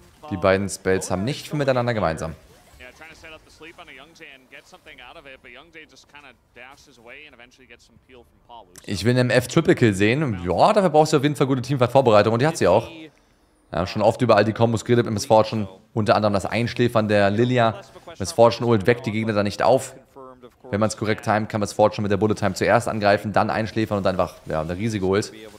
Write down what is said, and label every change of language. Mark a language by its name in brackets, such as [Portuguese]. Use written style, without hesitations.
[German] Die beiden Spells haben nicht viel miteinander gemeinsam. [English] Yeah, trying to set up the sleep on a Yongjae and get something out of it, but Yongjae just kind of dashes away and eventually gets some peel from Paulus. [German] Ich will einen F-Triple Kill sehen. Ja, dafür brauchst du auf jeden Fall gute Teamfight-Vorbereitung und die hat sie auch. Ja, schon oft überall die Kombos geredet mit Miss Fortune, unter anderem das Einschläfern der Lilia. Miss Fortune holt weg die Gegner da nicht auf. Wenn man es korrekt timet, kann Miss Fortune mit der Bullet Time zuerst angreifen, dann einschläfern und einfach ja, eine riesige Ult.